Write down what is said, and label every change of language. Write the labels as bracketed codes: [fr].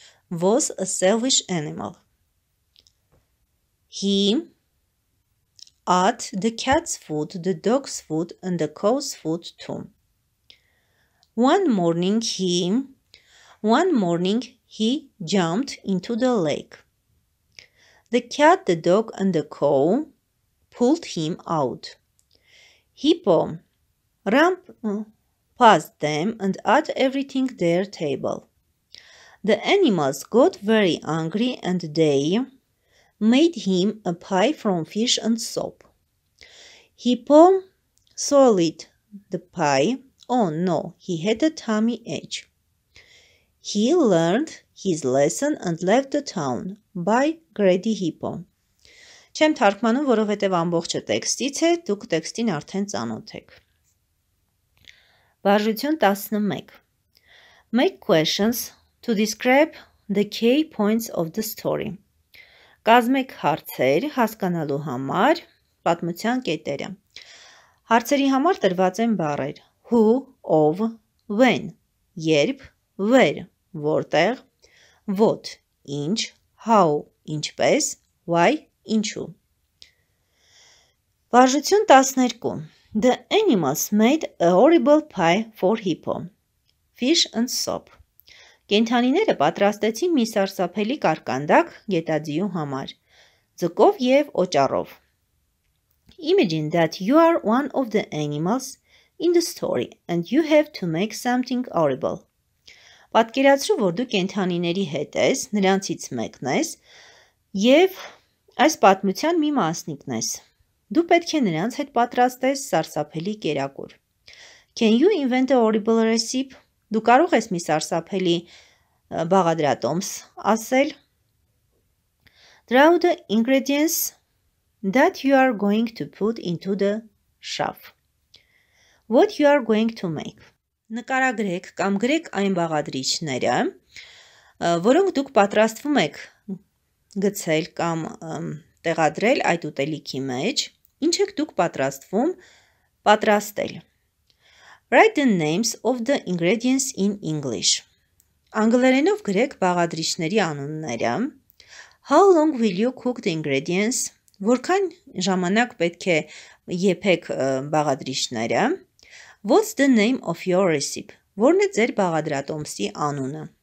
[en] was a selfish animal. He ate the cat's food, the dog's food, and the cow's food too. One morning he jumped into the lake. The cat, the dog, and the cow pulled him out. Hippo ran past them and ate everything their table. The animals got very angry and they made him a pie from fish and soap. Hippo swallowed the pie. Oh no, he had a tummy ache. He learned his lesson and left the town by Greedy Hippo. [hy] Չեմ թարգմանում, որովհետև ամբողջը տեքստից է, դուք տեքստին արդեն ծանոթ եք. Բաժություն 11. [en] Make questions to describe the key points of the story. [hy] Կազմեք հարցեր հասկանալու համար պատմության կետերը. Հարցերի համար տրված են բառեր. [en] Who, of, when, [hy] երբ, [en] where, [hy] որտեղ, [en] what, [hy] ինչ, [en] how, [hy] ինչպես, [en] why, [hy] ինչու. Բաժություն 12. [en] The animals made a horrible pie for Hippo. Fish and soap. [hy] Կենդանիները պատրաստեցին մի սարսափելի կարկանդակ գետաձիու համար, ձկով և օճառով. [en] Imagine that you are one of the animals in the story and you have to make something horrible. [hy] Պատկերացրու, որ դու կենդանիների հետ ես, նրանցից մեկն ես, և այս պատմության մի մասնիկն ես. Դու պետք է նրանց հետ պատրաստես սարսափելի կերակուր. [en] Can you invent a horrible recipe? [hy] Դու կարող ես մի սարսափելի բաղադրատոմս ասել. [en] Draw the ingredients that you are going to put into the shop. What you are going to make? [hy] Նկարագրեք կամ գրեք այն բաղադրիչները, որոնք դուք պատրաստվում եք գցել կամ տեղադրել այդ ուտելիքի մեջ. Ինչ եք դուք պատրաստվում պատրաստել. [en] Write the names of the ingredients in English. [hy] Անգլերենով գրեք բաղադրիչների անունները. [en] How long will you cook the ingredients? [hy] Որքան ժամանակ պետք է եփեք բաղադրիչները? [en] What's the name of your recipe? [hy] Որն է ձեր բաղադրատոմսի անունը?